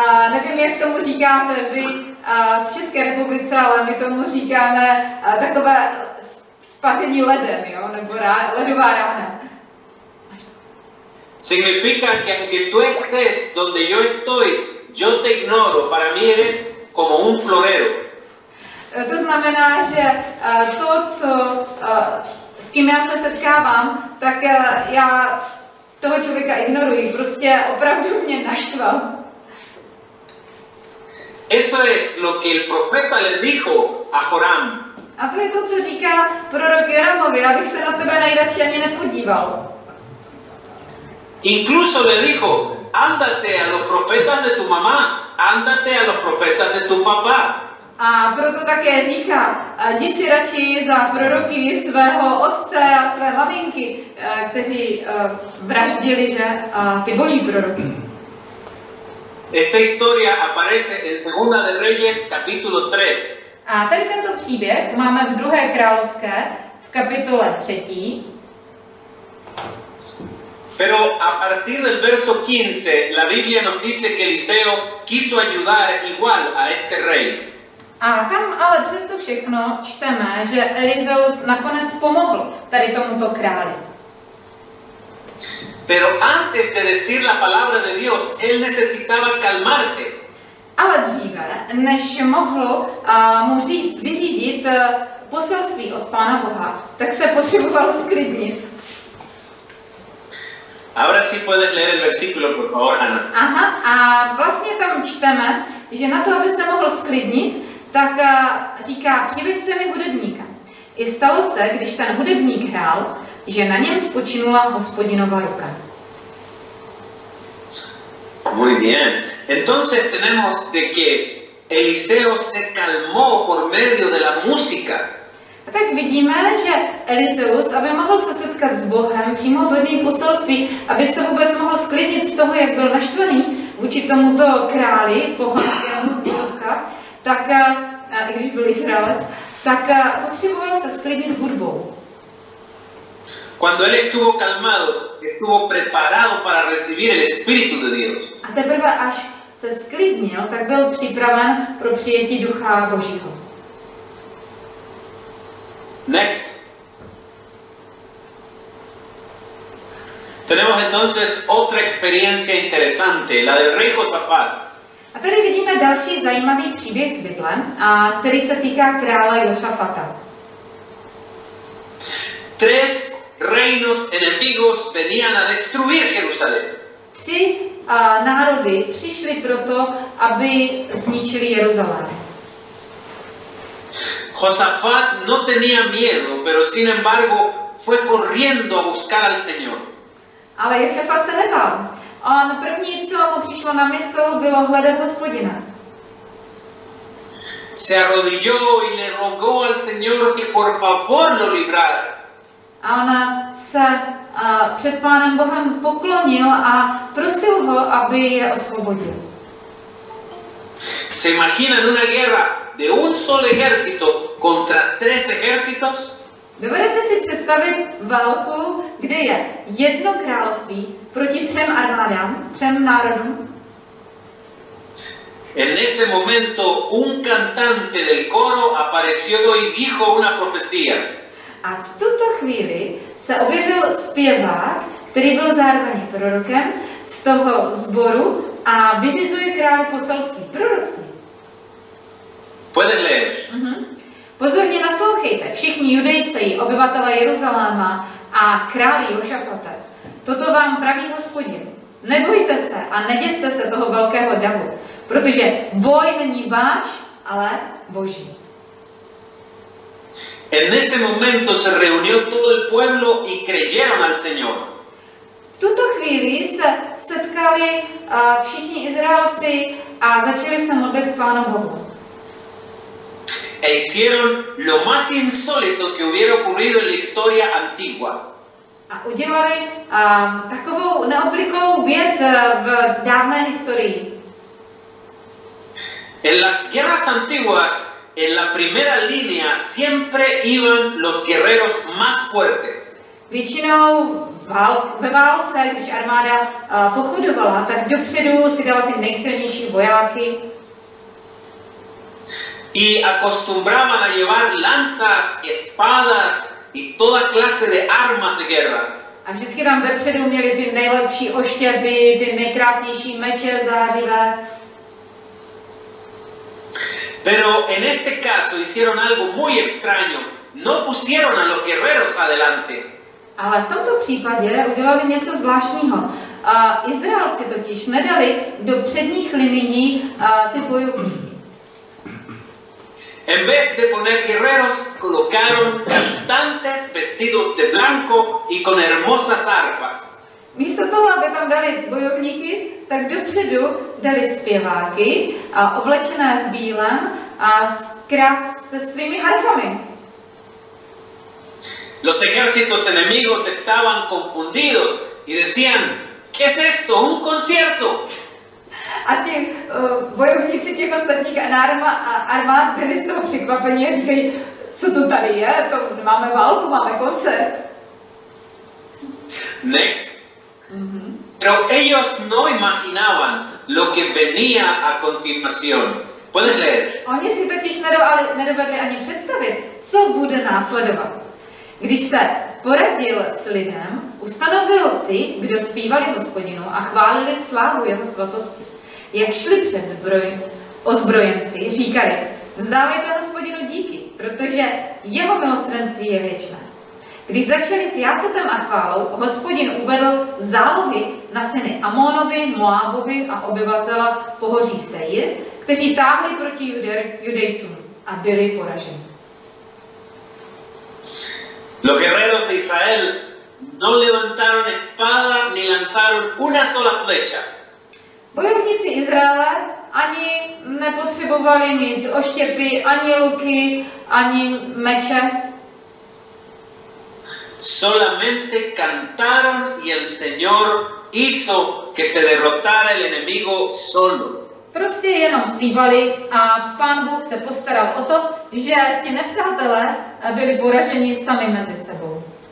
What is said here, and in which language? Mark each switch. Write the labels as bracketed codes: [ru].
[cs] Nevím, jak tomu říkáte vy v České republice, ale my tomu říkáme takové spaření ledem, jo? Nebo ledová rána. [es] Significa que aunque tú estés donde yo estoy, yo te ignoro. Para mí eres como un florero. [cs] To znamená, že to, co, s kým já se setkávám, tak já toho člověka ignoruji. Prostě opravdu mě naštval. [es] Eso es lo que el profeta le dijo a Joram. [cs] A to je to, co říká prorok Joramovi, abych se na tebe nejradši ani nepodíval. [es] Incluso le dijo, ándate a los profetas de tu mamá, ándate a los profetas de tu papá. [cs] A proto také říká, jdi si radši za proroky svého otce a své maminky, kteří vraždili, že ty boží proroky. [es] Esta historia aparece en Segunda de Reyes, capítulo 3. [cs] A tady tento příběh máme v 2. královské, v kapitole 3. [es] Pero a partir del verso 15, la Biblia nos dice que Eliseo quiso ayudar igual a este rey. [cs] A tam ale přesto všechno čteme, že Eliseus nakonec pomohl tady tomuto králi. [es] Pero antes de decir la palabra de Dios, él necesitaba calmarse. [cs] Ale dříve, než mohl mu říct, vyřídit poselství od Pána Boha, tak se potřeboval sklidnit. [es] Ahora sí puedes leer el versículo, por favor, Ana. [cs] Aha, a vlastně tam čteme, že na to, aby se mohl sklidnit, tak říká, přiveďte mi hudebníka. I stalo se, když ten hudebník hrál, že na něm spočinula Hospodinova ruka. [es] Muy bien. Entonces tenemos de que Eliseo se calmó por medio de la música. [cs] A tak vidíme, že Eliseus, aby mohl se setkat s Bohem přímo v hodním poselství, aby se vůbec mohl sklidnit z toho, jak byl naštvaný vůči tomuto králi, pohanskému bohovka, tak, i když byl Izraelec, tak potřeboval se sklidnit hudbou. [es] Cuando él estuvo calmado, estuvo preparado para recibir el Espíritu de Dios. [cs] A teprve až se sklidnil, tak byl připraven pro přijetí Ducha Božího. [en] Next. [es] Tenemos entonces otra experiencia interesante, la del rey Josafat. [cs] A tady vidíme další zajímavý příběh z Bible, a který se týká krále Josafata. [es] Tres reinos enemigos venían a destruir Jerusalén. [cs] Tři národy přišli proto, aby zničili Jeruzalém. [es] Josafat no tenía miedo, pero sin embargo fue corriendo a buscar al Señor. [cs] Ale Josafat se nebál. On první, co mu přišlo na mysl, bylo hledat Hospodina. [es] Se arrodilló y le rogó al Señor que por favor lo librara. [cs] A ona se před Pánem Bohem poklonil a prosil ho, aby je osvobodil. [es] Se imaginan una guerra de un solo ejército contra tres ejércitos? [cs] Dovedete si představit válku, kde je jedno království proti třem armádám, třem národům? [es] En ese momento un cantante del coro apareció y dijo una profecía. [cs] A v tuto chvíli se objevil zpěvák, který byl zároveň prorokem z toho sboru a vyřizuje králi poselství, proroctví. [es] Puedes leer. [cs] Pozorně naslouchejte, všichni Judejci, obyvatelé Jeruzaléma a králi Jošafate. Toto vám praví Hospodin. Nebojte se a neděste se toho velkého davu, protože boj není váš, ale Boží. [es] En ese momento se reunió todo el pueblo y creyeron al Señor. [cs] V tuto chvíli se setkali všichni Izraelci a začali se modlit k Pánu Bohu. [es] E hicieron lo más insólito que hubiera ocurrido en la historia antigua. [cs] A udělali takovou neobvyklou věc v dávné historii. [es] En las guerras antiguas, en la primera línea siempre iban los guerreros más fuertes. [cs] Většinou ve válce, když armáda pochodovala, tak dopředu si dala ty nejsilnější vojáky. [es] Y acostumbraban a llevar lanzas, espadas y toda clase de armas de guerra. [cs] A vždycky tam vepředu měli ty nejlepší oštěpy, ty nejkrásnější meče zářivé. [es] Pero en este caso hicieron algo muy extraño. No pusieron a los guerreros adelante. [cs] Ale v tomto případě udělali něco zvláštního. Izraelci totiž nedali do předních linií ty bojovníky. [es] En vez de poner guerreros, colocaron cantantes vestidos de blanco y con hermosas arpas. [cs] Místo toho, aby tam dali bojovníky, tak dopředu dali zpěváky, oblečené v bílém a se svými harfami. [es] Los ejércitos enemigos estaban confundidos y decían, ¿qué es esto? ¿Un concierto? [cs] A ti bojovníci těch ostatních armád byli z toho překvapení a říkají, co to tady je? To máme válku, máme koncert. [en] Next. [es] Pero ellos no imaginaban lo que venía a continuación. ¿Puedes leer? [cs] Oni si totiž nedovedli ani představit, co bude následovat. Když se poradil s lidem, ustanovil ty, kdo zpívali Hospodinu a chválili slávu jeho svatosti. Jak šli před ozbrojenci, říkali, vzdávejte Hospodinu díky, protože jeho milosrdenství je věčné. Když začali s jásotem a chválou, Hospodin uvedl zálohy na syny Amonovi, Moábovi a obyvatela pohoří Seir, kteří táhli proti Judejcům a byli poraženi. [es] Los guerreros de Israel no levantaron espada ni lanzaron una sola flecha. [cs] Bojovníci Izraela ani nepotřebovali mít oštěpy, ani luky, ani meče. [es] Solamente cantaron y el Señor hizo que se derrotara el enemigo solo. [cs] Prostě jenom zpívali a Pán Bůh se postaral o to, že ti nepřátelé byli poraženi sami mezi sebou.